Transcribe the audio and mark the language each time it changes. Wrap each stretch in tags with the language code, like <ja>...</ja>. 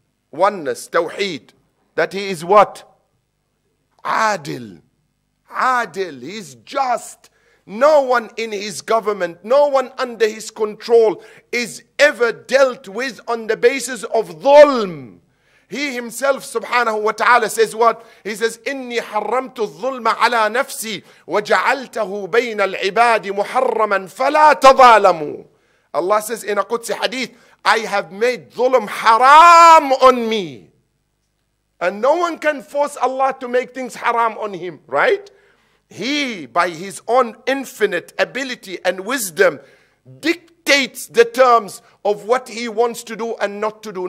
<en>Oneness, tawheed. That He is what? Adil. Adil. He is just. No one in His government, no one under His control is ever dealt with on the basis of dhulm. He Himself, subhanahu wa ta'ala, says what? He says,</en> <ar>إِنِّي حَرَّمْتُ الظُّلْمَ عَلَىٰ نَفْسِي وَجَعَلْتَهُ بَيْنَ الْعِبَادِ مُحَرَّمًا فَلَا تَظَالَمُوا.</ar> <en>Allah says in a Qudsi hadith, I have made dhulm haram on me. And no one can force Allah to make things haram on Him, right? He, by His own infinite ability and wisdom, dictates the terms of what He wants to do and not to do.</en>